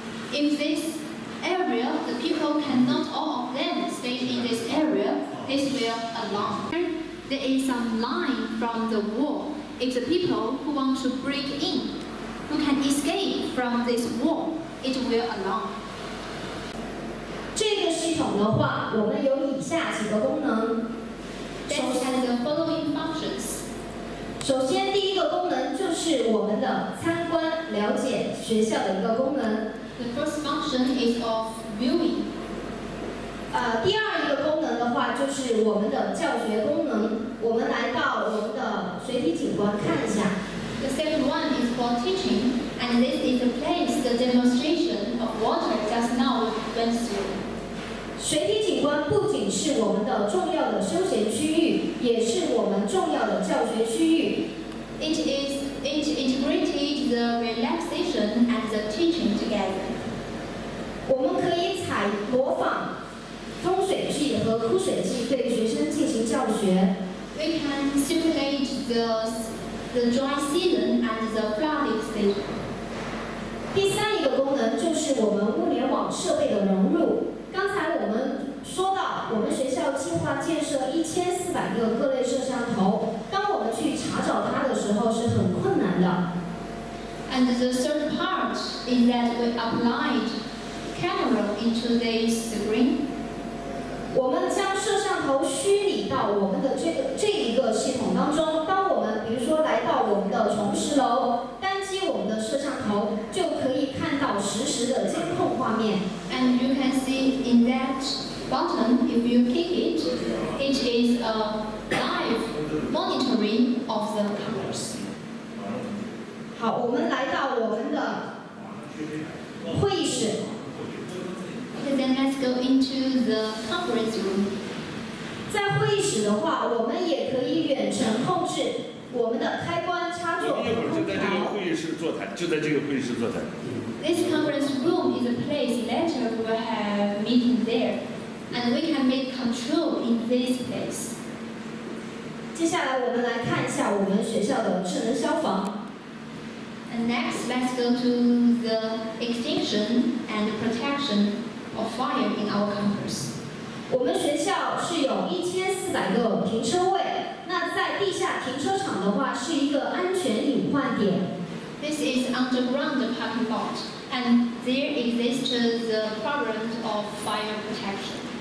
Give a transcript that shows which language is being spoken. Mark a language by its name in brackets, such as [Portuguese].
[English] If this area, the people cannot all of them stay in this area, this will alarm. There is a line from the wall. If the people who want to break in, who can escape from this wall, it will alarm. [Chinese] 这个系统的话，我们有以下几个功能。 [English] This has the following functions. [Chinese] 首先，第一个功能就是我们的参观了解学校的一个功能。 [English] The first function is of viewing. [Chinese] 第二一个功能的话就是我们的教学功能。我们来到我们的水体景观看一下。 [English] The second one is for teaching, and this is the place the demonstration of water just now went through. [Chinese] 水体景观不仅是我们的重要的休闲区域，也是我们重要的教学区域。 [English] It integrated the relaxation and the teaching together. [Chinese] 我们可以采模仿通水器和枯水器对学生进行教学。 [English] We can simulate the dry season and the flooded season. [Chinese] 第三一个功能就是我们物联网设备的融入。刚才我们说到，我们学校计划建设1400个各类摄像头。当我们去查找它的时候，是很困难的。 [English] And the third part is that we applied camera into this screen. [Chinese] 我们将摄像头虚拟到我们的这一个系统当中。当我们比如说来到我们的重石楼，单击我们的摄像头，就可以看到实时的监控画面。 [English] And you can see in that button, if you click it, it is a live monitoring of the cameras. [Chinese] 好，我们来到我们的会议室。 [English] Okay, then let's go into the conference room. [Chinese] 在会议室的话，我们也可以远程控制我们的开关、插座和空调。就在这个会议室座谈。 [English] This conference room is a place later we will have meeting there, and we can make control in this place. [Chinese] 接下来我们来看一下我们学校的智能消防。 [English] And next, let's go to the extinction and protection of fire in our campus. [Chinese] 我们学校是有1400个停车位，那在地下停车场的话是一个安全隐患点。 [English] This is underground parking lot, and there exists the problem of fire protection.